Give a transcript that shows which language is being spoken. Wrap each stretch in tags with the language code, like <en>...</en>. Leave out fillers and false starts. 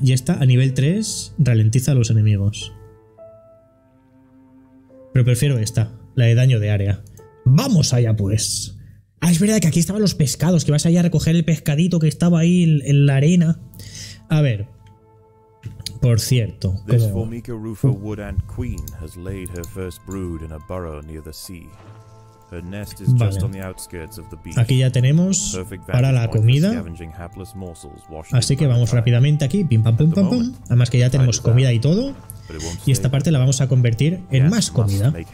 <es>Y esta, a nivel 3, ralentiza a los enemigos. Pero prefiero esta. La de daño de área. ¡Vamos allá, pues! Ah, es verdad que aquí estaban los pescados, que vas allá a recoger el pescadito que estaba ahí en la arena. A ver. Por cierto.</es> <en>This formica rufa wood ant queen has laid her first brood in a burrow near the sea. Her nest is just on the outskirts of the beach.</en> <es>Aquí ya tenemos para la comida. Así que vamos rápidamente aquí. Pim, pam, pum, pam, pum. Además que ya tenemos comida y todo. Y esta parte la vamos a convertir en más comida.</es>